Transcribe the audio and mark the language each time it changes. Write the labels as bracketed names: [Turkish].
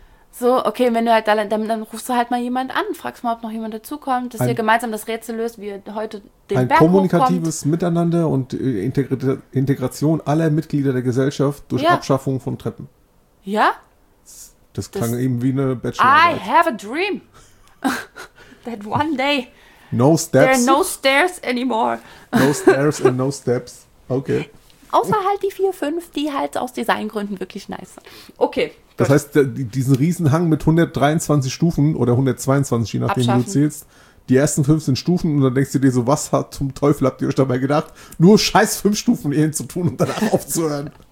[German] So, okay, wenn du halt dann rufst du halt mal jemand an, fragst mal, ob noch jemand dazukommt, dass ihr gemeinsam das Rätsel löst, wie ihr heute den Berg hochkommt. Ein kommunikatives Miteinander und Integration aller Mitglieder der Gesellschaft durch ja. Abschaffung von Treppen. Ja? Das klang eben wie eine Bachelorarbeit. [English] I have a dream that one day no steps. There are no stairs anymore. No stairs and no steps. Okay. [German] Außer halt die 4-5, die halt aus Designgründen wirklich nice sind. Okay. Das gut. heißt, diesen Riesenhang mit 123 Stufen oder 122, je nachdem, wie du zählst, die ersten 15 Stufen und dann denkst du dir so, was zum Teufel habt ihr euch dabei gedacht, nur scheiß 5 Stufen eh zu tun und danach aufzuhören.